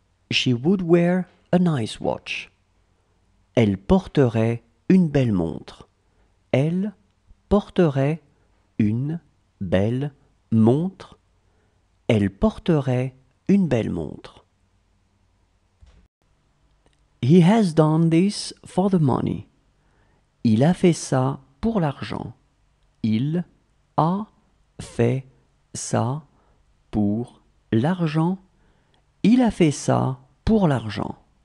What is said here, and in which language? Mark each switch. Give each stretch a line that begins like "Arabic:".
English: She would wear a nice watch.
French: Elle porterait une belle montre. Elle porterait une belle montre. Elle porterait une belle montre.
English: He has done this for the money.
French: Il a fait ça pour l'argent. Il a fait ça pour l'argent. Il a fait ça pour l'argent.